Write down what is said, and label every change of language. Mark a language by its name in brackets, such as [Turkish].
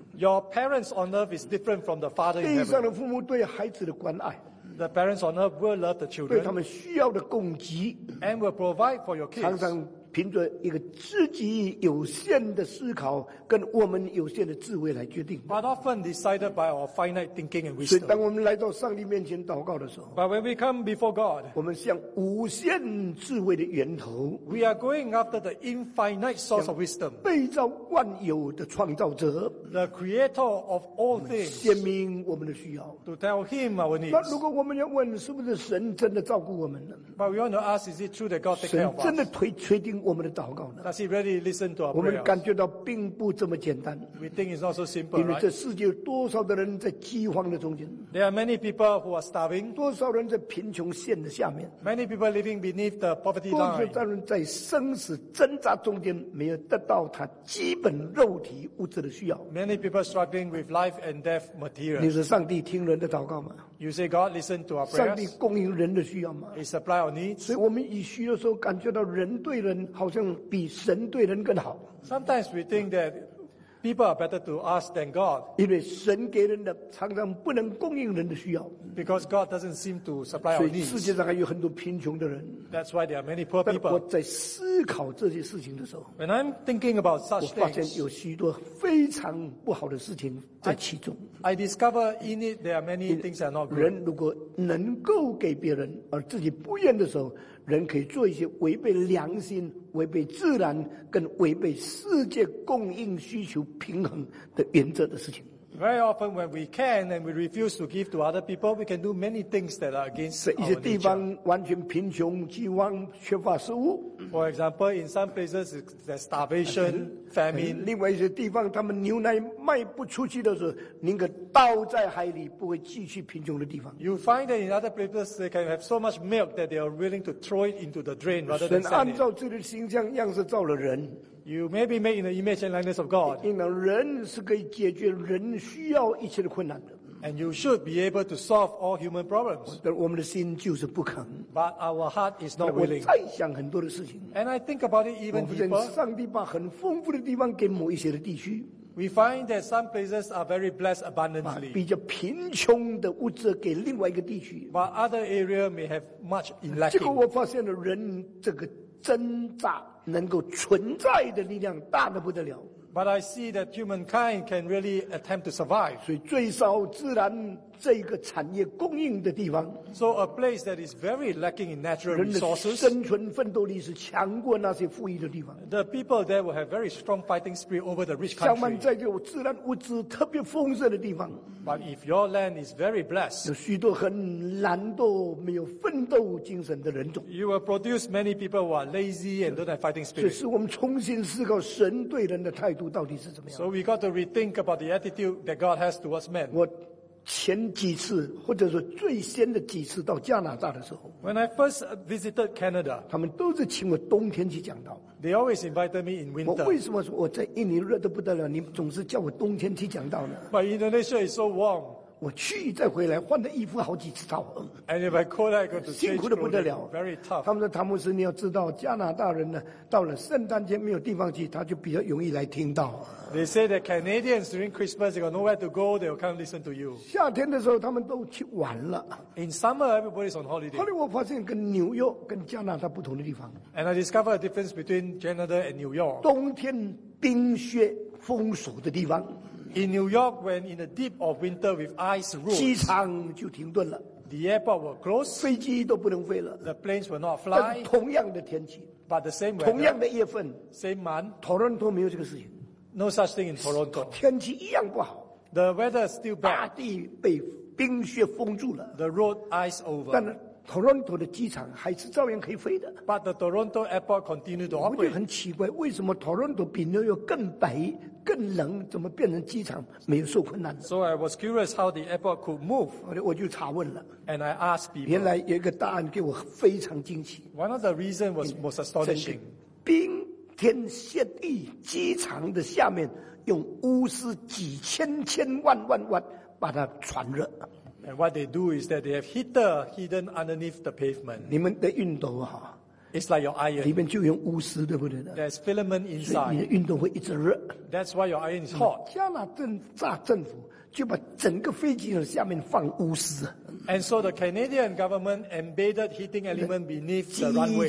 [English] Your parents on earth is different from the father in heaven. [Chinese] 地上的父母对孩子的关爱。 [English] The parents on earth will love the children. [Chinese] 对他们需要的供给。 [English] And will provide for your kids. [Chinese] 常常凭着一个自己有限的思考跟我们有限的智慧来决定。 [English] But often decided by our finite thinking and wisdom. [Chinese] 所以当我们来到上帝面前祷告的时候。 [English] But when we come before God, [Chinese] 我们向无限智慧的源头。 [English] We are going after the infinite source of wisdom. [Chinese] 被造万有的创造者。 [English] The creator of all things. [Chinese] 显明我们的需要。 [English] To tell him our needs. [Chinese] 那如果我们要问是不是神真的照顾我们呢？ [English] But we want to ask, is it true that God takes care of us? [Chinese] 神真的推定我们的祷告呢？ [English] Does he really listen to our prayers? [Chinese] 我们感觉到并不这么简单。 [English] We think it's not so simple, [Chinese] 因为这世界有多少的人在饥荒的中间？ [English] There are many people who are starving. [Chinese] 多少人在贫穷线的下面？ [English] Many people living beneath the poverty line. [Chinese] 多少的人在生死挣扎中间没有得到他基本肉体物质的需要？ [English] Many people struggling with life and death materials. [Chinese] 你是上帝听人的祷告吗？ [English] You say God listen to our prayers. [Chinese] 上帝供应人的需要吗？ [English] He supply our needs. [Chinese] 所以我们以需的时候感觉到人对人好像比神对人更好。 [English] Sometimes we think that people are better to us than God. [Chinese] 因为神给人的常常不能供应人的需要。 [English] Because God doesn't seem to supply our needs. [Chinese] 所以世界上还有很多贫穷的人。 [English] That's why there are many poor people. [Chinese] 我在思考这些事情的时候。 [English] When I'm thinking about such things. [Chinese] 我发现有许多非常不好的事情在其中。 [English] I discover in it there are many things that are not good. [Chinese] 人如果能够给别人而自己不愿的时候，人可以做一些违背良心、违背自然跟违背世界供应需求平衡的原则的事情。 [English] Very often when we can and we refuse to give to other people, we can do many things that are against our nature. [Chinese] 一些地方完全贫穷、饥荒、缺乏食物。 [English] For example, in some places there's starvation, famine. [Chinese] 另外一些地方，他们牛奶卖不出去的时候，宁可倒在海里，不会继续贫穷的地方。 [English] You find that in other places they can have so much milk that they are willing to throw it into the drain rather than send it. [Chinese] 神按照自己的形象样式造了人。 [English] You may be made in the image and likeness of God. [Chinese] 因为人是可以解决人需要一切的困难的。 [English] And you should be able to solve all human problems. [Chinese] 但我们的心就是不肯。 [English] But our heart is not willing. [Chinese] 我再想很多的事情。 [English] And I think about it even deeper. [Chinese] 我发现上帝把很丰富的地方给某一些的地区。 [English] We find that some places are very blessed abundantly. [Chinese] 比较贫穷的物质给另外一个地区。 [English] But other area may have much in lacking. [Chinese] 结果我发现了人这个挣扎能够存在的力量大得不得了。 [English] But I see that humankind can really attempt to survive. [Chinese] 所以最少自然这个产业供应的地方。 [English] So a place that is very lacking in natural resources. [Chinese] 人的生存奋斗力是强过那些富裕的地方。 [English] The people there will have very strong fighting spirit over the rich country. [Chinese] 相反，在这种自然物质特别丰盛的地方。 [English] But if your land is very blessed. [Chinese] 有许多很懒惰、没有奋斗精神的人种。 [English] You will produce many people who are lazy and don't have fighting spirit. [Chinese] 这是我们重新思考神对人的态度。 [English] So we got to rethink about the attitude that God has towards men. [Chinese] 我前几次，或者说最先的几次到加拿大的时候 [English] ，When I first visited Canada, [Chinese] 他们都是请我冬天去讲道。 [English] They always invited me in winter. [Chinese] 我为什么说我在印尼热得不得了，你们总是叫我冬天去讲道呢 [English] ？But Indonesia is so warm. [Chinese] 我去再回来换的衣服好几次到。 [English] And if I go there, I got to change clothing. [Chinese] 辛苦得不得了 [English] ，very tough. [Chinese] 他们说，汤姆斯，你要知道，加拿大人呢，到了圣诞节没有地方去，他就比较容易来听到。 [English] They say that Canadians during Christmas they got nowhere to go, they will come listen to you. [Chinese] 夏天的时候他们都去玩了。 [English] In summer everybody is on holiday. [Chinese] 后来我发现跟纽约跟加拿大不同的地方。 [English] And I discovered a difference between Canada and New York. [Chinese] 冬天冰雪封锁的地方。 [English] In New York, when in the deep of winter with ice roads, [Chinese] 机场就停顿了。 [English] The airport will close. [Chinese] 飞机都不能飞了。 [English] The planes will not fly. [Chinese] 同样的天气。 [English] But the same weather. [Chinese] 同样的月份。 [English] Same month. [Chinese] Toronto 没有这个事情。 [English] No such thing in Toronto. [Chinese] 天气一样不好。 [English] The weather is still bad. [Chinese] 大地被冰雪封住了。 [English] The road ice over. [Chinese] 但 Toronto 的机场还是照样可以飞的。 [English] But the Toronto airport continued to operate. [Chinese] 我就很奇怪，为什么 Toronto 比纽约更白、更冷，怎么变成机场没有受困难的 [English] ？So I was curious how the airport could move. [Chinese] 我就查问了。 [English] And I asked people. [Chinese] 原来有一个答案给我非常惊奇。 [English] One of the reasons was most astonishing. [Chinese] 冰天雪地，机场的下面用钨丝几千千万万万把它传热。 [English] And what they do is that they have heater hidden underneath the pavement. [Chinese] 你们的熨斗哈 [English] ，It's like your iron. [Chinese] 里面就用钨丝，对不对 [English] ？There's filament inside. [Chinese] 你的熨斗会一直热。 [English] That's why your iron is hot. [Chinese] 加拿大政府就把整个飞机的下面放钨丝。 [English] And so the Canadian government embedded heating element beneath the runway.